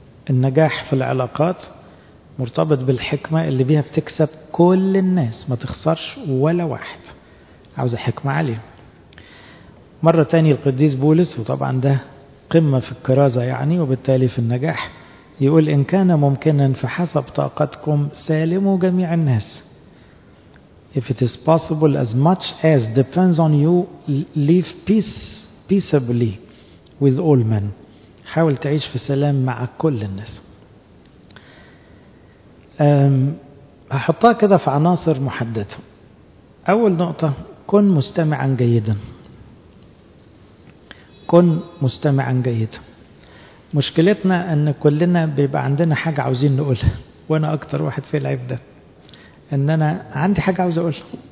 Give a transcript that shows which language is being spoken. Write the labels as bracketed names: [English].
[Arabic] النجاح في العلاقات مرتبط بالحكمة اللي بيها بتكسب كل الناس، ما تخسرش ولا واحد. عاوز حكمة عالية. مرة تاني القديس بولس، وطبعا ده قمة في الكرازة يعني وبالتالي في النجاح، يقول إن كان ممكنا فحسب طاقتكم سالموا جميع الناس. [English] If it is possible as much as depends on you, live peaceably with all men. [Arabic] حاول تعيش في سلام مع كل الناس. هحطها كده في عناصر محددة. أول نقطة، كن مستمعا جيدا. كن مستمعا جيدا. مشكلتنا أن كلنا بيبقى عندنا حاجة عاوزين نقولها، وأنا أكتر واحد في العيب ده، ان انا عندي حاجة عاوز اقولها.